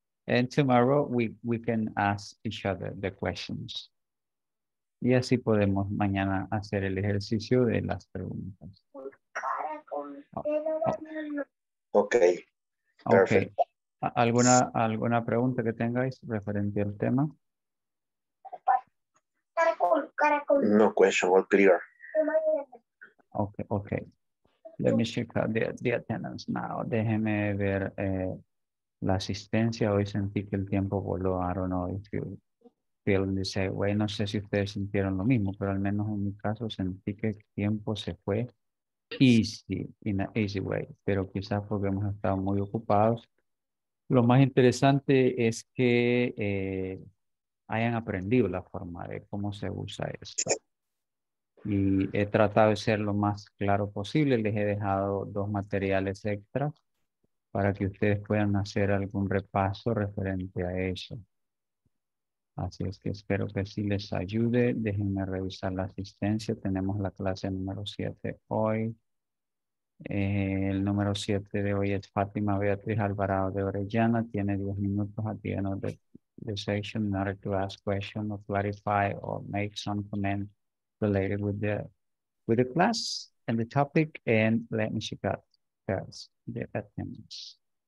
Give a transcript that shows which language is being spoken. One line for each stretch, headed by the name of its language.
English: And tomorrow we can ask each other the questions.
Spanish: Y así podemos mañana hacer el ejercicio de las preguntas.
English: Okay. Okay. Perfect.
Spanish: ¿Alguna pregunta que tengáis referente al tema?
English: No question, all clear. Okay, okay. Let me check out the attendance now.
Spanish: Déjeme ver la asistencia. Hoy sentí que el tiempo voló.
English: I don't know if you feel the same way.
Spanish: No sé si ustedes sintieron lo mismo, pero al menos en mi caso sentí que el tiempo se fue
English: easy, in an easy way.
Spanish: Pero quizás porque hemos estado muy ocupados. Lo más interesante es que hayan aprendido la forma de cómo se usa esto. Y he tratado de ser lo más claro posible. Les he dejado dos materiales extra para que ustedes puedan hacer algún repaso referente a eso. Así es que espero que sí les ayude. Déjenme revisar la asistencia. Tenemos la clase número 7 hoy. El número 7 de hoy es Fátima Beatriz Alvarado de Orellana. Tiene 10 minutos
English: at the end of the session in order to ask questions or clarify or make some comments related with the class and the topic, and let me check out first the attendance.